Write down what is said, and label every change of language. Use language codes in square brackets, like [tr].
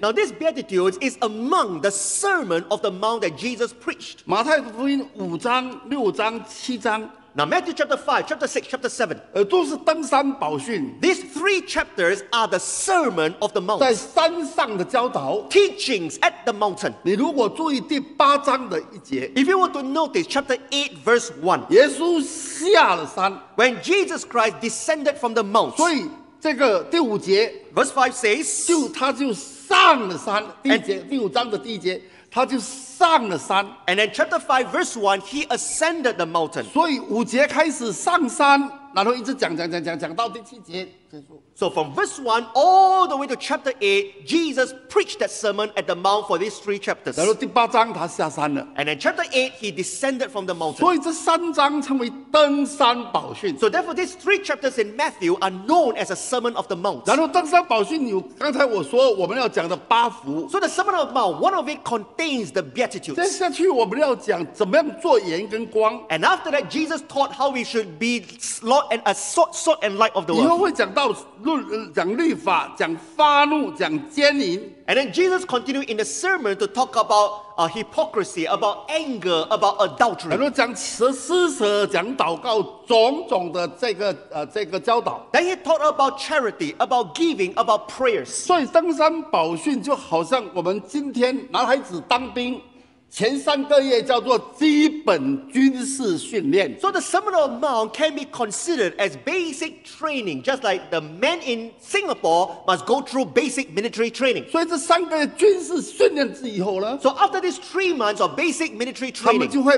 [en] Now this Beatitudes is among the Sermon of the Mount that Jesus preached. [zh] 马太福音五章、六章、七章。 [en] Now Matthew chapter 5, chapter 6, chapter 7. [zh] 都是登山宝训。 [en] These three chapters are the Sermon of the Mount. [zh] 在山上的教导。 [en] Teachings at the mountain. [zh] 你如果注意第八章的一节。 [en] If you were to notice chapter 8, verse 1. [zh] 耶稣下了山。 [en] When Jesus Christ descended from the mount. [zh] 所以这个第五节。 [en] Verse 5 says. [zh] 他就上了山。第五章的第一节。他就上了山。 [en] And then chapter 5 verse 1, he ascended the mountain. [zh] 所以五节开始上山, 然后一直讲到第七节。 [en] So from verse 1 all the way to chapter 8, Jesus preached that sermon at the mount for these three chapters. [zh] 然后第八章他下山了。 [en] And then chapter 8, he descended from the mountain. [zh] 所以这三章称为登山宝训。 [en] So therefore these three chapters in Matthew are known as a sermon of the mount. [zh] 然后登山宝训有刚才我说我们要讲的八福。 [en] So the sermon of the mount, one of it contains the beatitudes. [zh] 接下去我们要讲怎么样做盐跟光。 [en] And after that, Jesus taught how we should be salt and light of the world. [zh] 讲律法，讲发怒，讲奸淫。 [en] And then Jesus continued in the sermon to talk about hypocrisy, about anger, about adultery. [zh] 很多讲施舍、讲祷告种种的这个教导。 [en] Then he taught about charity, about giving, about prayers. [zh] 所以登山宝训就好像我们今天男孩子当兵。前三个月叫做基本军事训练。 [en] So the Sermon on the Mount can be considered as basic training, just like the men in Singapore must go through basic military training. [zh] 所以这三个月军事训练之后呢, [en] So after these 3 months of basic military training,